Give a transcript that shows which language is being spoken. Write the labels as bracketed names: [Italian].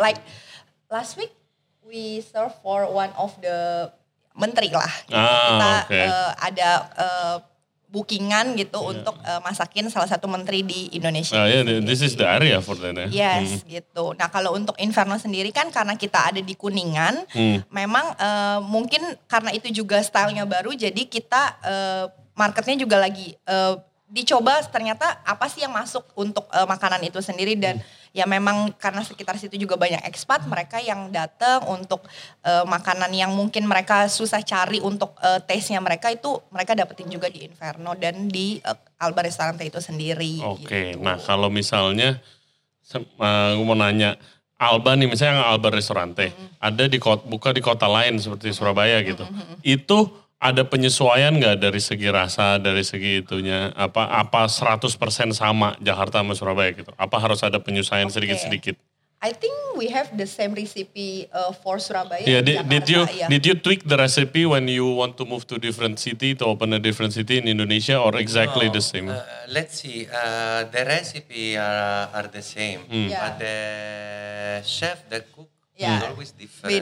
[English] Like, last week we serve for one of the [Indonesian] menteri lah. Ah, kita ada bookingan gitu untuk masakin salah satu menteri di Indonesia. [English] Oh, yeah, this is the area for that. Eh? [Indonesian] Yes, gitu. Nah, kalau untuk Inferno sendiri kan karena kita ada di Kuningan, memang mungkin karena itu juga stylenya baru, jadi kita marketnya juga lagi dicoba ternyata apa sih yang masuk untuk makanan itu sendiri. Dan ya memang karena sekitar situ juga banyak ekspat, mereka yang datang untuk makanan yang mungkin mereka susah cari untuk taste-nya mereka, itu mereka dapetin juga di Inferno dan di Alba Ristorante itu sendiri. Oke, gitu. Nah kalau misalnya, gue mau nanya, Alba nih misalnya yang Alba Ristorante, ada di buka di kota lain seperti Surabaya gitu, itu ada penyesuaian gak dari segi rasa, dari segi itunya, apa 100% sama Jakarta sama Surabaya gitu? Apa harus ada penyesuaian sedikit-sedikit? [English] I think we have the same recipe for Surabaya. Yeah, did you tweak the recipe when you want to move to different city, to open a different city in Indonesia, or exactly the same? Let's see, the recipe are the same, but the chef, the cook, is always different.